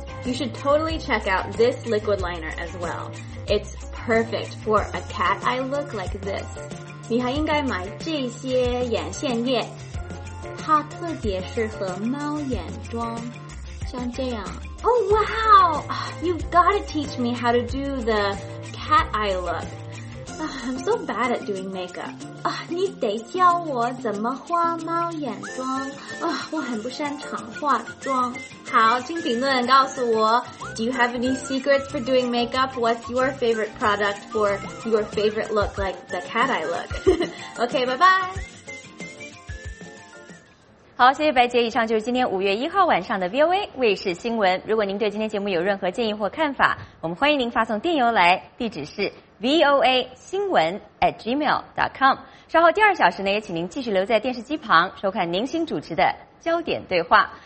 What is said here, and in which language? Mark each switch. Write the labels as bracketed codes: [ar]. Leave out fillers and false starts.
[en] You should totally check out this liquid liner as well. It's perfect for a cat eye look like this. [zh] 你还应该买这些眼线液，它特别适合猫眼妆，像这样。 [en] Oh wow! You've got to teach me how to do the cat eye look. I'm so bad at doing makeup. [zh] 你得教我怎么画猫眼妆。我很不擅长化妆。 [en] 好，请评论告诉我 Do you have any secrets for doing makeup? What's your favorite product for your favorite look, like the cat eye look? OK, bye bye. [zh] 好，谢谢白洁。以上就是今天5月1号晚上的 VOA 卫视新闻。如果您对今天节目有任何建议或看法，我们欢迎您发送电邮来，地址是voa@gmail.com。稍后第二小时呢，也请您继续留在电视机旁收看宁馨主持的焦点对话。